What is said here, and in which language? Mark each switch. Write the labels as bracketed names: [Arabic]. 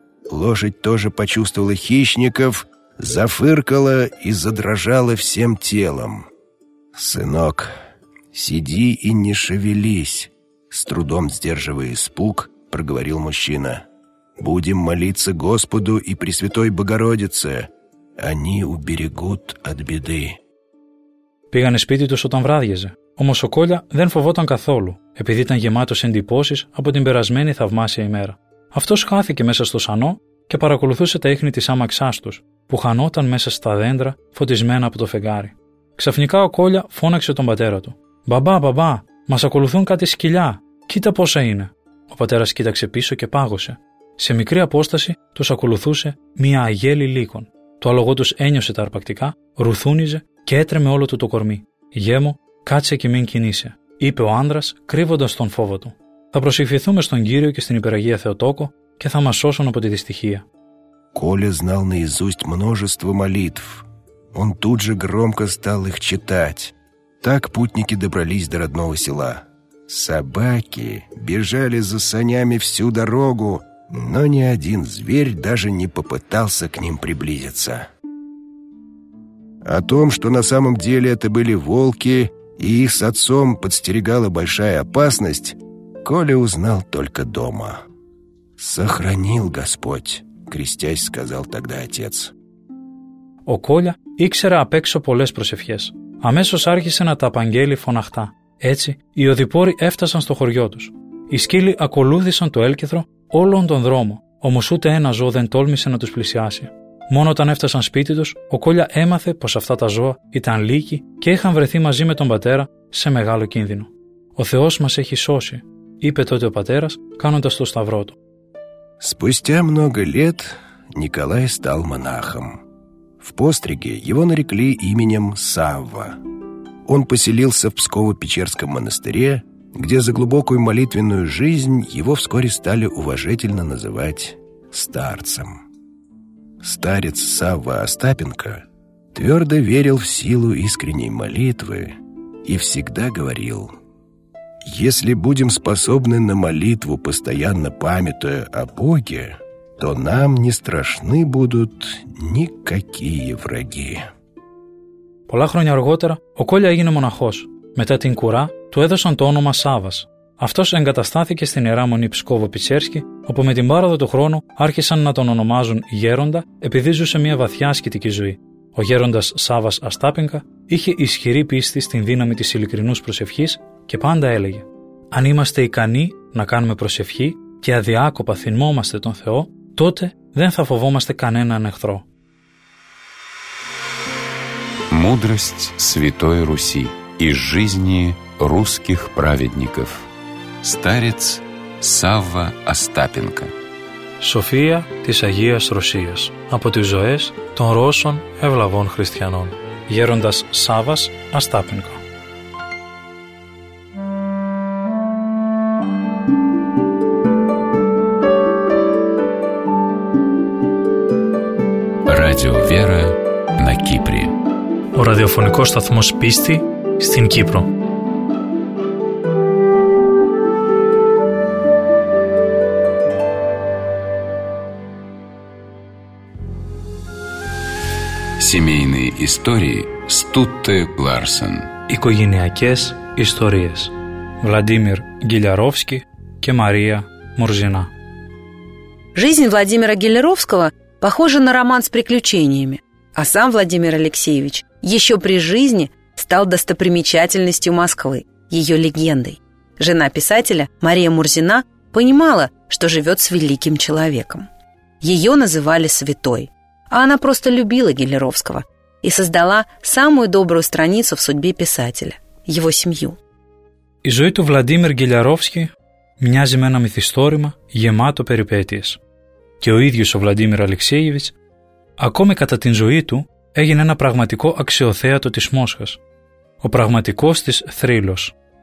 [Russian] Лошадь тоже почувствовала хищников, зафыркала и задрожала всем телом. «Сынок, сиди и не шевелись!» — с трудом сдерживая испуг, проговорил мужчина. «Будем молиться Господу и Пресвятой Богородице. Они уберегут от беды». [Greek] Πήγανε σπίτι τους όταν βράδιαζε. Όμως ο Κόλια δεν φοβόταν καθόλου, επειδή ήταν γεμάτος εντυπώσεις από την περασμένη θαυμάσια ημέρα. Αυτός χάθηκε μέσα στο σανό και παρακολουθούσε τα ίχνη της άμαξάς τους, που χανόταν μέσα στα δέντρα φωτισμένα από το φεγγάρι. Ξαφνικά ο Κόλια φώναξε τον πατέρα του. «Μπαμπά, μπαμπά, μας ακολουθούν κάτι σκυλιά. Κοίτα πόσα είναι». Ο πατέρας κοίταξε πίσω και πάγωσε. Σε μικρή απόσταση τους ακολουθούσε μία αγέλη λύκων. Το άλογο τους ένιωσε τα αρπακτικά, ρουθούνιζε και έτρεμε όλο του το κορμί. «Γιέ μου, κάτσε και μην κινείσαι», είπε ο άνδρας, κρύβοντας τον φόβο του. «Θα προσευχηθούμε στον Κύριο και στην Υπεραγία Θεοτόκο και θα μας σώσουν από τη δυστυχία». [Russian] Коля знал наизусть множество молитв. Он тут же громко стал их читать. Так путники добрались до родного села. Собаки бежали за санями всю дорогу, но ни один зверь даже не попытался к ним приблизиться. О том, что на самом деле это были волки, и их с отцом подстерегала большая опасность, Коля узнал только дома. «Сохранил Господь», — крестясь сказал тогда отец. [Greek] Ο Коля ήξερε απ' έξω πολλές προσευχές. Αμέσως άρχισε να τα απαγγέλει φωναχτά. Έτσι, οι οδηπόροι έφτασαν στο χωριό τους. Οι σκύλοι ακολούθησαν το έλκυθρο όλον τον δρόμο, όμως ούτε ένα ζώο δεν τόλμησε να τους πλησιάσει. Μόνο όταν έφτασαν σπίτι τους, ο Κόλια έμαθε πως αυτά τα ζώα ήταν λύκη και είχαν βρεθεί μαζί με τον πατέρα σε μεγάλο κίνδυνο. «Ο Θεός μας έχει σώσει», είπε τότε ο πατέρας, κάνοντας το σταυρό του. [Russian] Спустя много лет Николай стал монахом. В постриге его нарекли именем Савва. Он поселился в Псково-Печерском монастыре, где за глубокую молитвенную жизнь его вскоре стали уважительно называть старцем. Старец Савва Остапенко твердо верил в силу искренней молитвы и всегда говорил: «Если будем способны на молитву, постоянно памятуя о Боге, то нам не страшны будут никакие враги». [Greek] Πολλά χρόνια αργότερα, ο Κόλια έγινε μοναχός. Μετά την κουρά, του έδωσαν το όνομα Σάββας. Αυτός εγκαταστάθηκε στην Ιερά Μονή Ψκόβο-Πιτσέρσκι, όπου με την πάροδο του χρόνου άρχισαν να τον ονομάζουν Γέροντα, επειδή ζούσε μια βαθιά ασκητική ζωή. Ο Γέροντας Σάββας Αστάπινκα είχε ισχυρή πίστη στην δύναμη της ειλικρινούς προσευχής και πάντα έλεγε: «Αν είμαστε ικανοί να κάνουμε προσευχή και αδιάκοπα θυμόμαστε τον Θεό, τότε δεν θα φοβόμαστε κανέναν εχθρό». [Russian] Мудрость Святой Руси из жизни русских праведников. Старец Савва Остапенко. [Greek] Σοφία της Αγίας Ρωσίας, από τις ζωές των Ρώσων ευλαβών χριστιανών. Γέροντας Σάββας Αστάπενκο. [Russian] Ράδιο Βέρα, να Κύπρη. [Greek] Ο ραδιοφωνικός σταθμός πίστη στην Κύπρο. [Russian] Семейные истории Стутте Ларсен. [Greek] Οικογενειακές ιστορίες. Владимир Гиляровский και Мария Мурзина. [Russian] Жизнь Владимира Гиляровского похожа на роман с приключениями, а сам Владимир Алексеевич еще при жизни стал достопримечательностью Москвы, ее легендой. Жена писателя, Мария Мурзина, понимала, что живет с великим человеком. Ее называли святой. А она просто любила Гиляровского и создала самую добрую страницу в судьбе писателя, его семью. [Greek] Η ζωή του Владимир Гиляровский мοιάζει με ένα μυθιστόρημα γεμάτο περιπέτειες. Και ο ίδιος ο Владимир Алексеевич, ακόμη κατά την ζωή του, έγινε ένα πραγματικό αξιοθέατο της Μόσχας, ο πραγματικός της θρύλος.